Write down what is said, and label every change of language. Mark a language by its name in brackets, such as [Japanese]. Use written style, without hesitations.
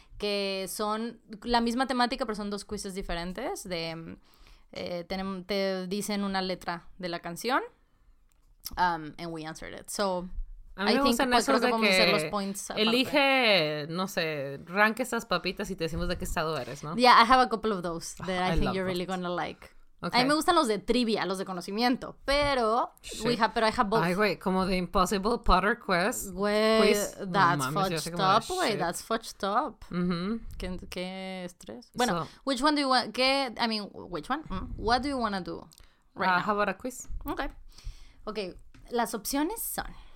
[Spanish] Que son la misma temática, pero son 2 quizzes diferentes. De te dicen una letra de la canción. [English] And we answered it. So, [Spanish] a mí me gustan pues, esos de que los points elige, no sé, rank esas papitas y te decimos de qué estado eres, ¿no? [English] Yeah, I have a couple of those that I think you're really gonna like. [Spanish] Okay. A mí me gustan los de trivia, los de conocimiento, pero [English] I have both. [Spanish] Ay, güey, como The Impossible Potter Quest. [English] Güey, that's fucked up, güey, that's fucked up. [Spanish] ¿Qué estrés? Bueno, [English] so, which one do you want, which one? What do you want to do right now? How about a quiz? [Spanish] Okay, las opciones son.